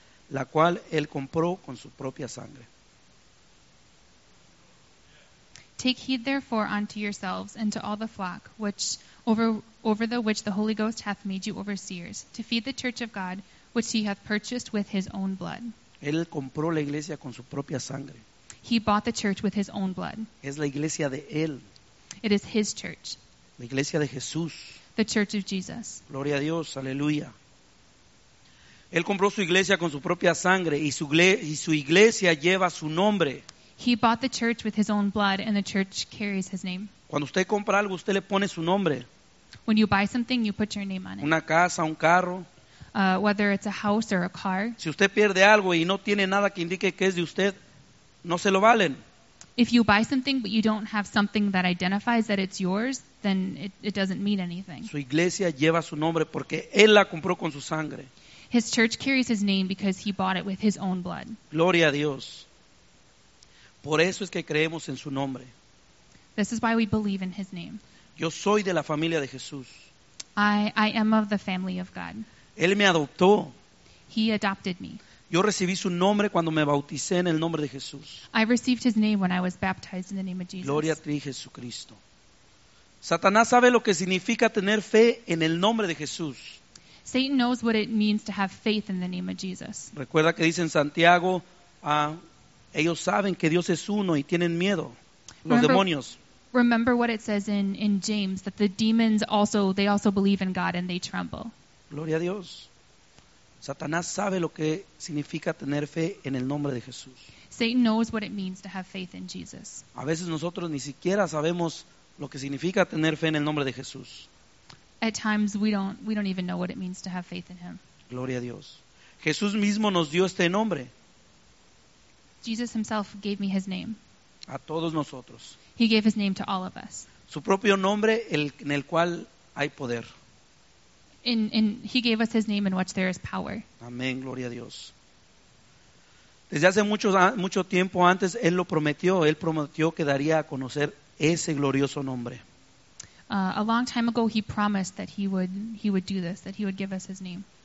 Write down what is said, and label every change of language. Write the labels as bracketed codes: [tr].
[es] la cual él compró con su propia sangre. [en] Take heed therefore unto yourselves and to all the flock which over the which the Holy Ghost hath made you overseers, to feed the church of God, which he hath purchased with his own blood. [es] Él compró la iglesia con su propia sangre. [en] He bought the church with his own blood. [es] Es la iglesia de él. [en] It is his church. [es] La iglesia de Jesús. [en] The church of Jesus. [es] Gloria a Dios, aleluya. Él compró su iglesia con su propia sangre y su iglesia lleva su nombre. [en] He bought the church with his own blood and the church carries his name. [es] Cuando usted compra algo, usted le pone su nombre. [en] When you buy something, you put your name on it. [es] Una casa, un carro. [en] Whether it's a house or a car. [es] Si usted pierde algo y no tiene nada que indique que es de usted, no se lo valen. [en] If you buy something but you don't have something that identifies that it's yours, then it doesn't mean anything. [es] Su iglesia lleva su nombre porque él la compró con su sangre. [en] His church carries his name because he bought it with his own blood. [es] Gloria a Dios. Por eso es que creemos en su nombre. [en] This is why we believe in his name. [es] Yo soy de la familia de Jesús. [en] I am of the family of God. [es] Él me adoptó. [en] He adopted me. [es] Yo recibí su nombre cuando me bauticé en el nombre de Jesús. [en] I received his name when I was baptized in the name of Jesus. [es] Gloria a ti, Jesucristo. Satanás sabe lo que significa tener fe en el nombre de Jesús. [en] Satan knows what it means to have faith in the name of Jesus. [es] Recuerda que dice en Santiago, ellos saben que Dios es uno y tienen miedo, los demonios. [en] Remember what it says in James, that the demons also, they also believe in God and they tremble. [es] Gloria a Dios. Satanás sabe lo que significa tener fe en el nombre de Jesús. [en] Satan knows what it means to have faith in Jesus. [es] A veces nosotros ni siquiera sabemos lo que significa tener fe en el nombre de Jesús. [en] At times we don't even know what it means to have faith in him. [es] Gloria a Dios. Jesús mismo nos dio este nombre. [en] Jesus himself gave me his name. [es] A todos nosotros. [en] He gave his name to all of us. [es] Su propio nombre en el cual hay poder. [en] And he gave us his name in which there is power. [es] Amén, gloria a Dios. Desde hace mucho tiempo antes, él lo prometió. Él prometió que daría a conocer ese glorioso nombre. [en] A long time ago, he promised that he would do this, that he would give us his name.